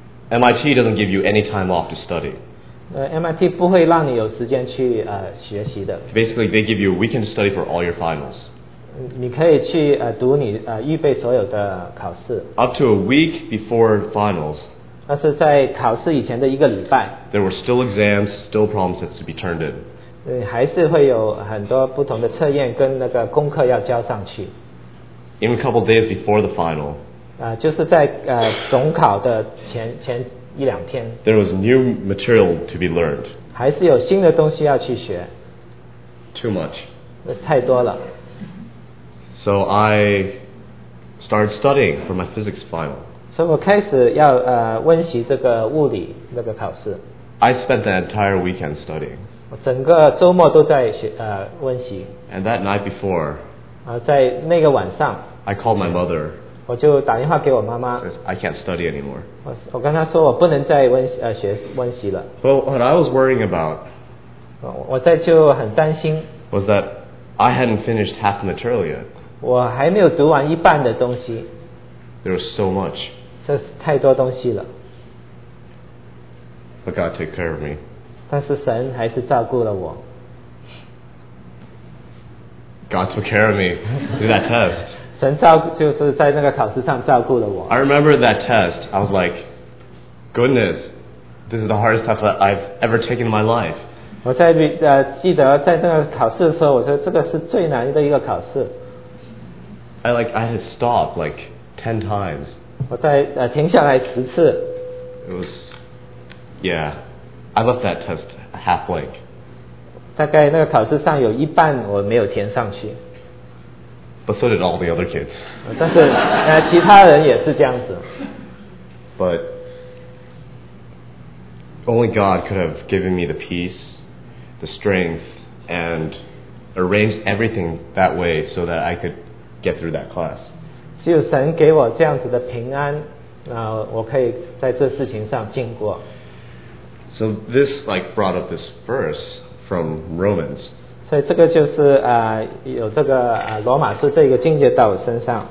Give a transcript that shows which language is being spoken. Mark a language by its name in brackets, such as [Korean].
[English] MIT doesn't give you any time off to study. [Chinese] MIT 不会让你有时间去学习的。 [English] Basically, they give you a weekend to study for all your finals. [Chinese] 你可以去读你预备所有的考试。 [English] Up to a week before finals. [Chinese] 那是在考试以前的一个礼拜。 [English] There were still exams, still problem sets to be turned in. [Chinese] 还是会有很多不同的测验跟那个功课要交上去。 [English] Even a couple days before the final. [Chinese] 就是在总考的前一两天。 [English] There was new material to be learned. [Chinese] 还是有新的东西要去学。 [English] Too much. [Chinese] 太多了。 [English] So I started studying for my physics final. [Chinese] 所以我开始要温习这个物理那个考试。 [English] I spent the entire weekend studying. [Chinese] 我整个周末都在学温习。 [English] And that night before. [Chinese] 在那个晚上。 [English] I called my mother. [Chinese] 我就打电话给我妈妈。 [English] I can't study anymore. [Chinese] 我跟她说我不能再学温习了。 [English] But what I was worrying about. [Chinese] 我在就很担心。 [English] Was that I hadn't finished half the material yet. [Chinese] 我还没有读完一半的东西。 [English] There was so much. [Chinese] 这是太多东西了。 [English] But God took care of me. [Chinese] 但是神还是照顾了我。 [English] God took care of me through that test. [Chinese] 神照顾就是在那个考试上照顾了我。 [English] I remember that test. I was like, goodness, this is the hardest test that I've ever taken in my life. [Chinese] 我在记得在那个考试的时候，我说这个是最难的一个考试。 [English] I had stopped like 10 times. [Chinese] 我在停下来十次。 [English] It was, yeah, I left that test half blank. [Chinese] 大概那个考试上有一半我没有填上去。 [English] But so did all the other kids. [Chinese] 但是其他人也是这样子。 [English] But only God could have given me the peace, the strength, and arranged everything that way so that I could get through that class. [Chinese] 只有神给我这样子的平安，我可以在这事情上经过。 [English] So this like brought up this verse from Romans. [Chinese] 所以这个就是有这个罗马书这个经节到我身上。